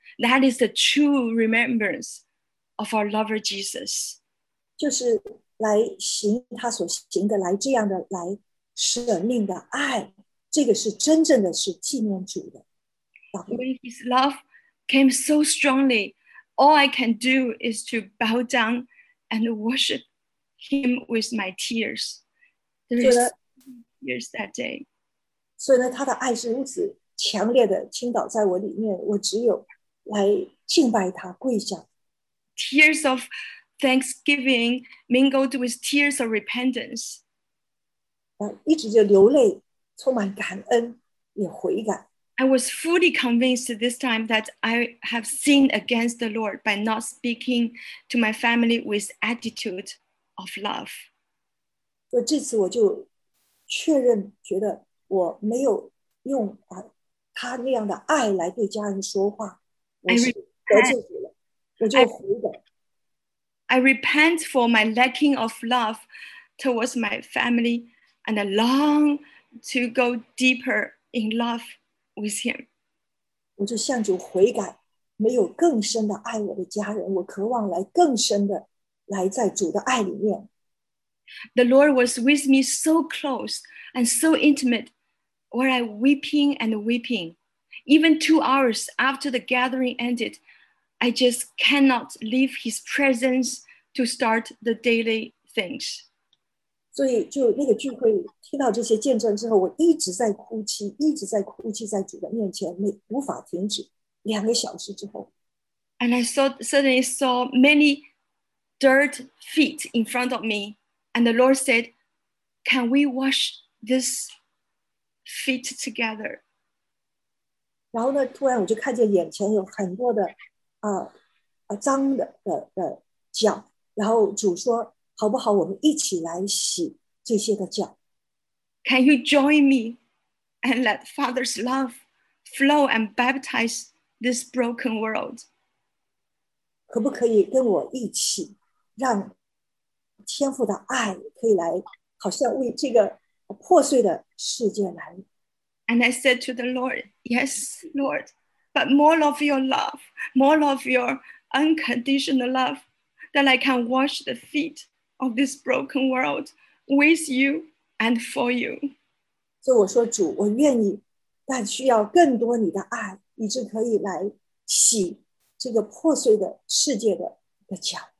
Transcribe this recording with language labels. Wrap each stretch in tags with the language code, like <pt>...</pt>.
<en>That is the true remembrance of our lover Jesus.</en> <zh>就是来行他所行的，来这样的来舍命的爱，这个是真正的是纪念主的。</zh> <en>When his love came so strongly, all I can do is to bow down and worship him with my tears. There is tears that day.</en> <zh>所以呢，他的爱是如此强烈的倾倒在我里面，我只有来敬拜他，跪下。</zh> <en>Tears of thanksgiving mingled with tears of repentance.</en> <zh>一直就流泪，充满感恩，也悔改。</zh> <en>I was fully convinced this time that I have sinned against the Lord by not speaking to my family with attitude of love.</en> <zh>所以这次我就确认，觉得我没有用他那样的爱来对家人说话，我是得罪主了。</zh> <en>I repent for my lacking of love towards my family and I long to go deeper in love with him.</en> <zh>我就向主悔改，没有更深的爱我的家人，我渴望来更深的来在主的爱里面。</zh> <en>The Lord was with me so close and so intimate, where I weeping and weeping, even 2 hours after the gathering ended, I just cannot leave his presence to start the daily things.</en> <zh>所以就那个聚会听到这些见证之后，我一直在哭泣，一直在哭泣，在主的面前，没无法停止。两个小时之后</zh> <en>，and I suddenly saw many dirt feet in front of me, and the Lord said, "Can we wash this feet together?"</en> <zh>然后呢，突然我就看见眼前有很多的脏的脚，然后主说。好不好我们一起来洗这些的脚。</zh> <en>Can you join me and let Father's love flow and baptize this broken world?</en> <zh>可不可以跟我一起让天父的爱可以来好像为这个破碎的世界来。</zh> <en>And I said to the Lord, yes, Lord, but more of your love, more of your unconditional love that I can wash the feet. Of this broken world, with you and for you. So I said, Lord, I want you, but I need more of your love, so I can wash this broken world's feet.</en>